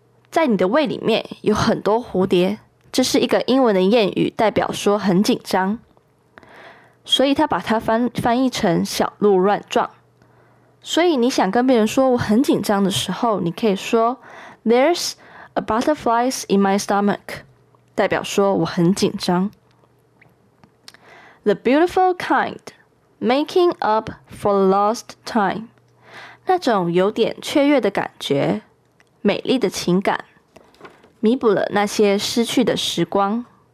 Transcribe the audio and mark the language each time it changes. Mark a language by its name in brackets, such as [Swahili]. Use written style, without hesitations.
[Chinese] 在你的胃里面有很多蝴蝶，这是一个英文的谚语，代表说很紧张。所以他把它翻译成小鹿乱撞。所以你想跟别人说我很紧张的时候，你可以说 [English] There's a butterflies in my stomach. [Chinese] 代表说我很紧张。 [English] The beautiful kind, making up for lost time. [Chinese] 那种有点雀跃的感觉，美丽的情感，弥补了那些失去的时光。